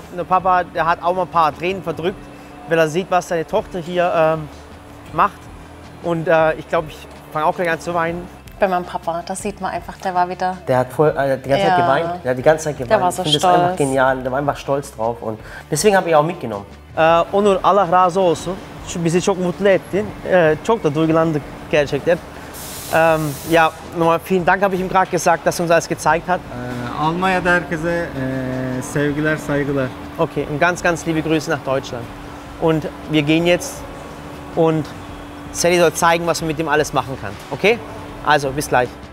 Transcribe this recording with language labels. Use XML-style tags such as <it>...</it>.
<de>Der Papa, der hat auch mal ein paar Tränen verdrückt, weil er sieht, was seine Tochter hier macht. Und ich glaube, ich fange auch gleich an zu weinen. Bei meinem Papa, das sieht man einfach, der war wieder... Der hat voll, die ganze Zeit geweint. Der war so stolz. Ich finde das einfach genial, der war einfach stolz drauf und deswegen habe ich auch mitgenommen.</de> <tr>Onur, alla razo osu, bizi çok mutlu ettin, çok da duygulandık gerçekten.</tr> <de>Ja, nochmal vielen Dank, habe ich ihm gerade gesagt, dass er uns alles gezeigt hat.</de> <tr>Almanya'da herkese sevgiler, saygılar.</tr> <de>Okay, und ganz, ganz liebe Grüße nach Deutschland. Und wir gehen jetzt und Sally soll zeigen, was man mit dem alles machen kann, okay? Also, bis gleich.</de>